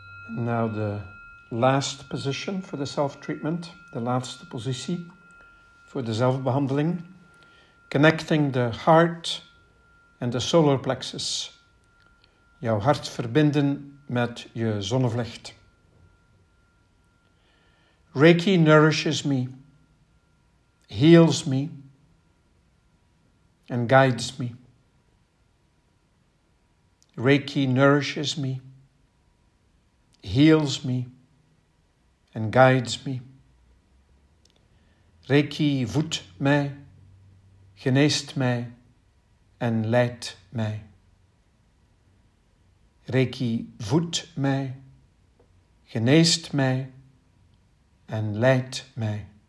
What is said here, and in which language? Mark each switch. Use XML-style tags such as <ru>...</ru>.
<en>Now the last position for the self-treatment, the</en> <nl>laatste positie voor de zelfbehandeling.</nl> <en>Connecting the heart and the solar plexus.</en> <nl>Jouw hart verbinden met je zonnevlecht.</nl> <en>Reiki nourishes me, heals me, and guides me. Reiki nourishes me, heals me and guides me.</en> <nl>Reiki voedt mij, geneest mij en leidt mij. Reiki voedt mij, geneest mij en leidt mij.</nl>